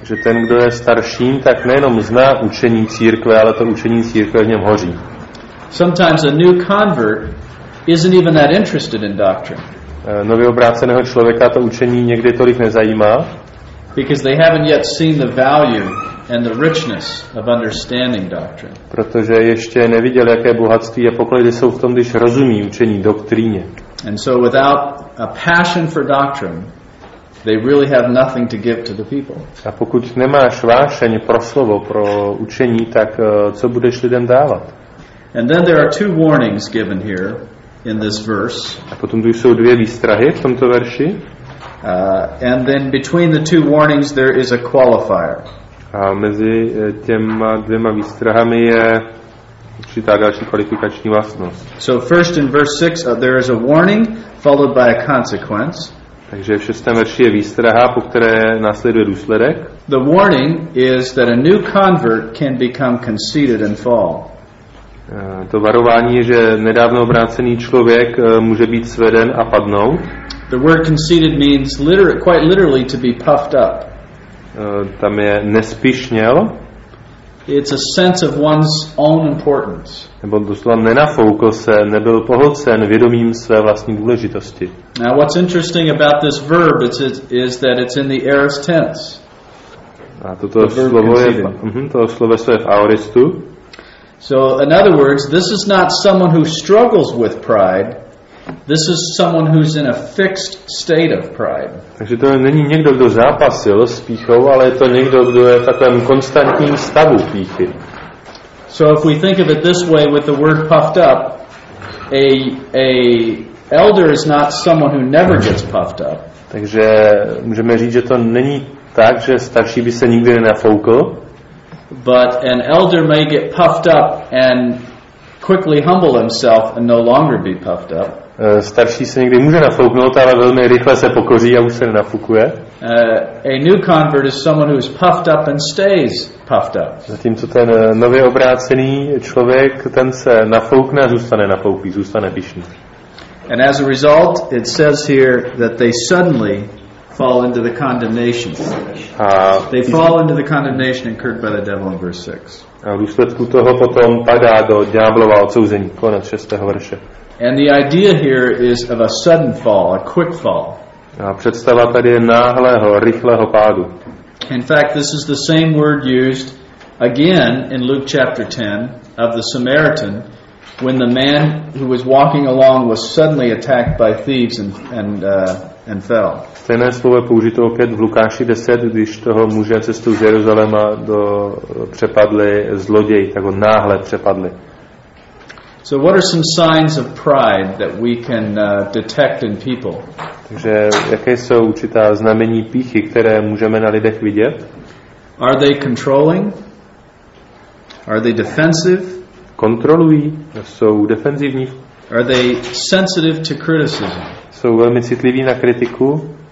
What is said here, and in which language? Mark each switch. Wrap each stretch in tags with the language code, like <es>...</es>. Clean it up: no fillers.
<cs>Že ten, kdo je starším, tak nejenom zná učení církve, ale to učení církve v něm hoří.</cs> <en>Sometimes a new convert isn't even that interested in doctrine.</en> <cs>Nově obráceného člověka to učení někdy tolik nezajímá.</cs> <en>Because they haven't yet seen the value and the richness of understanding doctrine.</en> <cs>Protože ještě neviděl, jaké bohatství a poklady jsou v tom, když rozumí učení doktríně.</cs> <en>And so without a passion for doctrine, they really have nothing to give to the people.</en> <cs>A pokud nemáš vášeň pro slovo, pro učení, tak co budeš lidem dávat?</cs> <en>And then there are two warnings given here in this verse.</en> <cs>A potom tu jsou dvě výstrahy v tomto verši.</cs> <en>And then between the two warnings there is a qualifier.</en> <cs>A mezi těma dvěma výstrahami je určitá další kvalifikační vlastnost.</cs> <en>So first in verse 6 there is a warning followed by a consequence.</en> <cs>Takže v šestém verši je výstraha, po které následuje důsledek.</cs> <en>The warning is that a new convert can become conceited and fall.</en> <cs>To varování je, že nedávno obrácený člověk může být sveden a padnout.</cs> <en>The word conceited means quite literally to be puffed up.</en> <cs>Tam je nespišněl.</cs> <en>It's a sense of one's own importance.</en> <cs>Nebo doslova nenafoukl se, nebyl pohlcen vědomím své vlastní důležitosti.</cs> <en>Now what's interesting about this verb is that it's in the aorist tense.</en> <cs>A toto slovo je, toto sloveso je v aoristu.</cs> <en>So in other words, this is not someone who struggles with pride. This is someone who's in a fixed state of pride.</en> <cs>Takže to není někdo, kdo zápasil s pýchou, ale je to někdo, kdo je v takovém konstantním stavu pýchy.</cs> <en>So if we think of it this way with the word puffed up, a elder is not someone who never gets puffed up.</en> <cs>Takže můžeme říct, že to není tak, že starší by se nikdy nenafoukl.</cs> <en>But an elder may get puffed up and quickly humble himself and no longer be puffed up.</en> <cs>Starší se někdy může nafouknout, ale velmi rychle se pokoří a už se nenafukuje.</cs> <en>A new convert is someone who is puffed up and stays puffed up.</en> <cs>Zatímco ten nově obrácený člověk, ten se nafoukne a zůstane nafouklý, zůstane pyšný.</cs> <en>And as a result, it says here that they suddenly fall into the condemnation. They fall into the condemnation incurred by the devil in verse 6.</en> <cs>A v důsledku toho potom padá do ďáblova odsouzení, konec 6. verše.</cs> <en>And the idea here is of a sudden fall, a quick fall.</en> <cs>A představa tady je náhlého, rychlého pádu.</cs> <en>In fact, this is the same word used again in Luke chapter 10 of the Samaritan when the man who was walking along was suddenly attacked by thieves and fell.</en> <cs>Stejné slovo je použito opět v Lukáši 10, když toho muže cestou z Jeruzaléma přepadli zloději, tak ho náhle přepadli.</cs> <en>So what are some signs of pride that we can detect in people?</en> <cs>Takže jaké jsou určitá znamení pýchy, které můžeme na lidech vidět?</cs> <en>Are they controlling? Are they defensive?</en> <cs>Kontrolují, jsou defenzivní.</cs> <en>Are they sensitive to criticism?</en> <cs>Jsou velmi citliví na kritiku.</cs>